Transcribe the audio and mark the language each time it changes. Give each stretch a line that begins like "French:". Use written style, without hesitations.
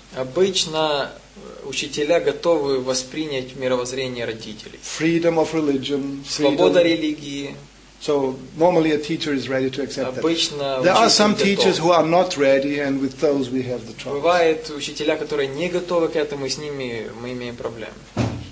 Russian: Обычно учителя готовы воспринять мировоззрение родителей.
English: Freedom of religion.
Russian: Свобода религии.
English: So normally a teacher is ready to accept that.
Russian: Обычно
English: there are some teachers who are not ready, and with those we have the trouble.
Russian: Бывают учителя, которые не готовы к этому, и с ними мы имеем проблемы.